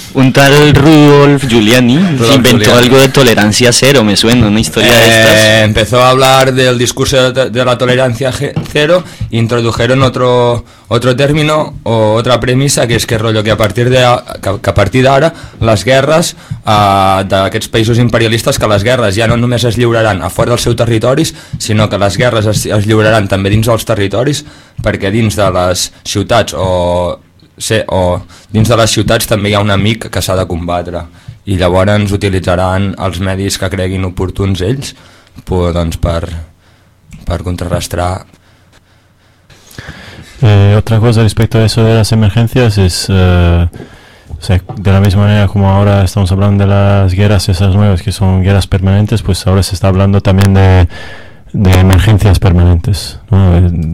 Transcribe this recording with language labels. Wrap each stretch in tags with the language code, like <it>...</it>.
<es>Un tal Rudolf Giuliani inventó algo de tolerancia cero, me suena, una historia de estas. Empezó a hablar del discurso de la tolerancia cero, introdujeron otro término o otra premisa, que es que rollo que</es> <ca>a partir d'ara les guerres d'aquests països imperialistes, que les guerres ja no només es lliuraran a fora dels seus territoris, sinó que les guerres es lliuraran també dins dels territoris, perquè dins de les ciutats o dins de les ciutats també hi ha un amic que s'ha de combatre, i llavors utilitzaran els medis que creguin oportuns ells doncs per contrarrestar.</ca> <es>Otra cosa respecto a eso de las emergencias es, o sea, de la misma manera como ahora estamos hablando de las guerras esas nuevas que son guerras permanentes, pues ahora se está hablando también de emergencias permanentes, ¿no?</es>